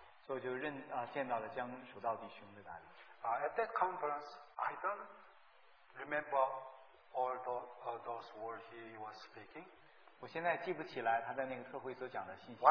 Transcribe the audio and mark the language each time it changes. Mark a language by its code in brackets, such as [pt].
[zh] 所以我就见到了江蜀道弟兄在哪里。 [en] At that conference, I don't remember all those words he was speaking. [zh] 我现在记不起来他在那个特会所讲的信息了。